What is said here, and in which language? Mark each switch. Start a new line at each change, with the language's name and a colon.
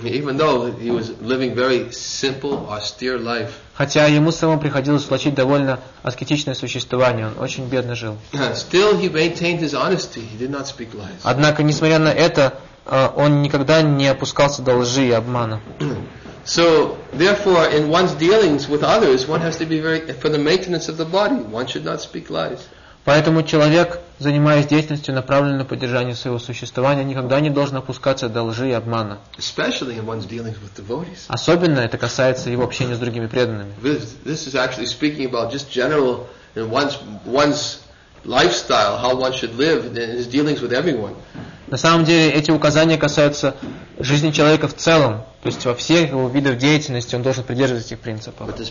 English: Even though he was living very simple, austere life.
Russian: Хотя ему самому приходилось влачить довольно аскетичное существование, он очень бедно жил.
English: Still he maintained his honesty. He did not speak lies.
Russian: Однако, несмотря на это, он никогда не опускался до лжи и обмана.
English: So, therefore, in one's dealings with others, one has to be very, for the maintenance of the body, one should not speak lies.
Russian: Поэтому человек, занимаясь деятельностью, направленной на поддержание своего существования, никогда не должен опускаться до лжи и обмана.
English: Especially in one's dealings with devotees.
Russian: Особенно это касается его общения с другими преданными.
English: This is actually speaking about just general, in one's lifestyle, how one should live, in his dealings with everyone.
Russian: На самом деле, эти указания касаются жизни человека в целом. То есть во всех его видах деятельности он должен придерживаться этих принципов.